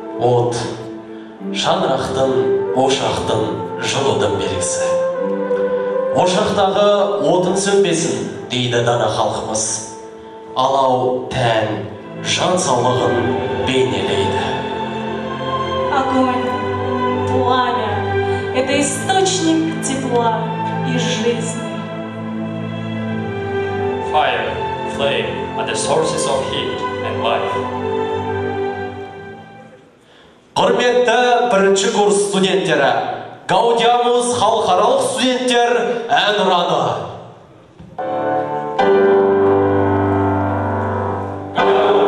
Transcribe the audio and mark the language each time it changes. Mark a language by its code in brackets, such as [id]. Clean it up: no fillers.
[kk] От шаңырақтың ошақтың жылыдың белгісі. Ошақтағы отын сөнбесін, дейді дана халқымыз. Алау тән жан саулығын бейнелейді. [ru] Огонь, пламя – это источник тепла и жизни. [en] Fire, flame are the sources of heat and life. [kk] Құрметті бірінші курс студенттері, Гаудиамус халықаралық студенттер әнұраны.